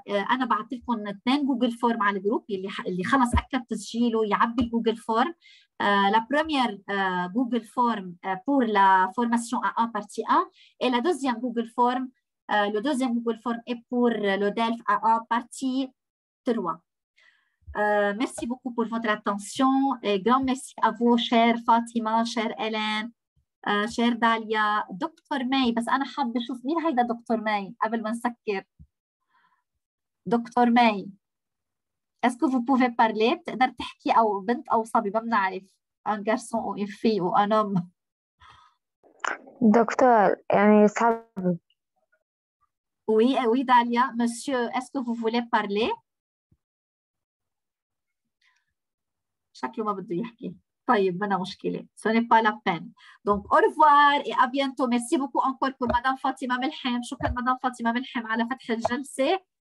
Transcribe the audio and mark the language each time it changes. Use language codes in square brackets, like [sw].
[ar] انا بعت لكم 2 جوجل فورم على الجروب، اللي خلص اكد تسجيله يعبي الجوجل فورم. [fr] La première Google Form pour la formation A1 partie 1 et la deuxième Google Form, le deuxième Google Form est pour le DELF A1 partie 3. Merci beaucoup pour votre attention et grand merci à vous, chère Fatima, chère Hélène, chère Dalia, Dr. May. [ar] بس أنا حابة أشوف مين هيدا دكتور ماي قبل ما نسكر. دكتور ماي، [fr] est-ce que vous pouvez parler؟ [ar] بتقدر تحكي أو بنت أو صبي، ما بنعرف. [fr] Un garçon ou une fille ou un homme. [ar] دكتور، يعني صبي. [fr] Oui, oui, داليا. Monsieur, est-ce que vous voulez parler؟ [ar] شكله ما بده يحكي. طيب، ما أنا مشكلة. [fr] Ce n'est pas la peine. Donc, au revoir et à bientôt. Merci beaucoup encore pour Madame Fatima Melhem. [ar] شكرا Madame Fatima Melhem على فتح الجلسة.